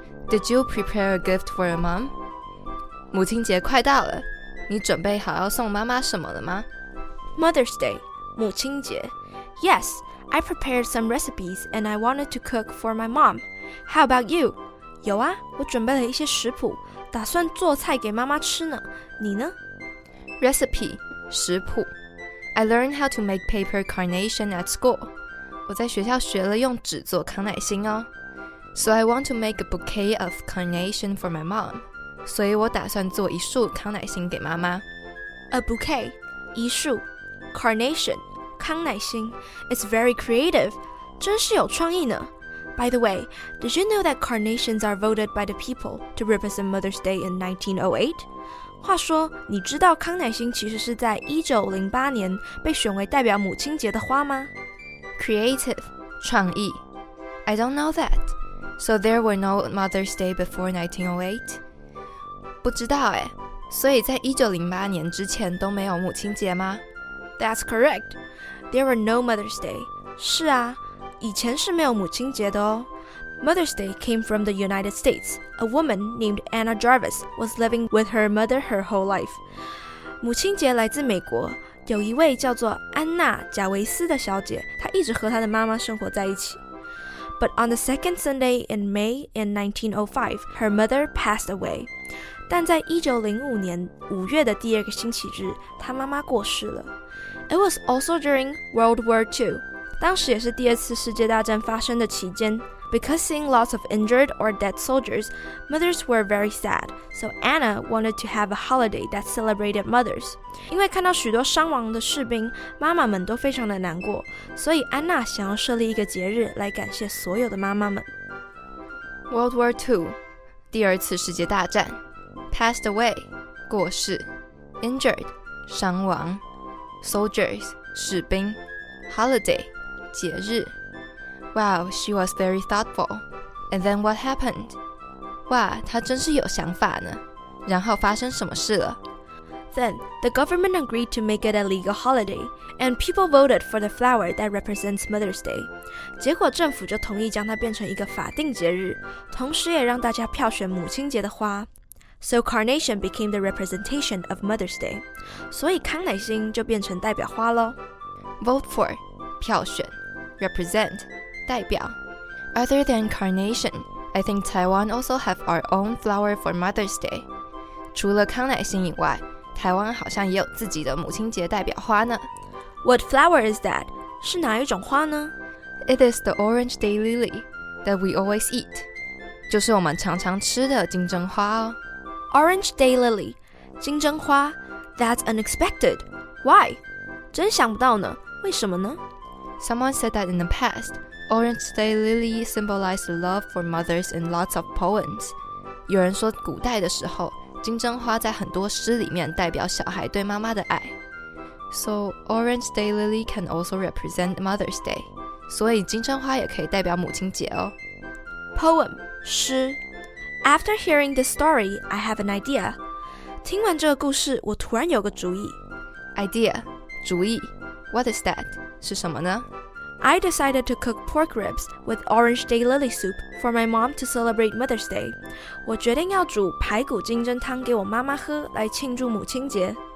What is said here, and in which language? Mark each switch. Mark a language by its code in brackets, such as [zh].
[en] Did you prepare a gift for your mom? [zh] 母亲节快到了，你准备好要送妈妈什么了吗？ [en] Mother's Day, 母亲节 Yes, I prepared some recipes and I wanted to cook for my mom. How about you? [zh] 有啊，我准备了一些食谱，打算做菜给妈妈吃呢。你呢？ [en] Recipe, 食谱I learned how to make paper carnation at school. [zh] 我在学校学了用纸做康乃馨哦。 [en] So I want to make a bouquet of carnation for my mom. [zh] 所以我打算做一束康乃馨给妈妈。 [en] A bouquet, 一束 Carnation, 康乃馨 It's very creative. [zh] 真是有创意呢。 [en] By the way, did you know that carnations are voted by the people to represent Mother's Day in 1908? [zh] 话说，你知道康乃馨其实是在1908年被选为代表母亲节的花吗？ [en] Creative, 创意。I don't know that. So there were no Mother's Day before 1908? [zh] 不知道耶。所以在1908年之前都没有母亲节吗？ [en] That's correct. There were no Mother's Day. [zh] 是啊，以前是没有母亲节的哦。 [en] Mother's Day came from the United States. A woman named Anna Jarvis was living with her mother her whole life. [zh] 母亲节来自美国，有一位叫做安娜·贾维斯的小姐，她一直和她的妈妈生活在一起。 [en] But on the second Sunday in May in 1905, her mother passed away. [zh] 但在1905年五月的第二个星期日，她妈妈过世了。 [en] It was also during World War II. [zh] 当时也是第二次世界大战发生的期间。 [en] Because seeing lots of injured or dead soldiers, mothers were very sad, so Anna wanted to have a holiday that celebrated mothers. [zh] 因为看到许多伤亡的士兵，妈妈们都非常的难过，所以安娜想要设立一个节日来感谢所有的妈妈们。 [en] World War II, 第二次世界大战 Passed away, 过世 Injured, 伤亡 Soldiers, 士兵 Holiday, 节日Wow, she was very thoughtful. And then what happened? [zh] 哇，她真是有想法呢。然后发生什么事了？ [en] Then, the government agreed to make it a legal holiday, and people voted for the flower that represents Mother's Day. [zh] 结果政府就同意将它变成一个法定节日，同时也让大家票选母亲节的花。 [en] So carnation became the representation of Mother's Day. [zh] 所以康乃馨就变成代表花咯。 [en] Vote for, 票选 represent,代表 Other than carnation, I think Taiwan also have our own flower for Mother's Day. [zh] 除了康乃馨以外，台湾好像也有自己的母亲节代表花呢。 [en] What flower is that? [zh] 是哪一种花呢？ [en] It is the orange daylily that we always eat. [zh] 就是我们常常吃的金针花哦。 [en] Orange daylily, 金针花 That's unexpected. Why? [zh] 真想不到呢，为什么呢？ [en] Someone said that in the past,Orange Day Lily symbolized love for mothers in lots of poems. [zh] 有人说古代的时候，金针花在很多诗里面代表小孩对妈妈的爱。 [en] So Orange Day Lily can also represent Mother's Day. [zh] 所以金针花也可以代表母亲节哦。 [en] Poem, 诗。 After hearing this story, I have an idea. [zh] 听完这个故事，我突然有个主意。 [en] Idea, 主意。What is that? [zh] 是什么呢？ [en] I decided to cook pork ribs with orange daylily soup for my mom to celebrate Mother's Day. [zh] 我决定要煮排骨金针汤给我妈妈喝来庆祝母亲节。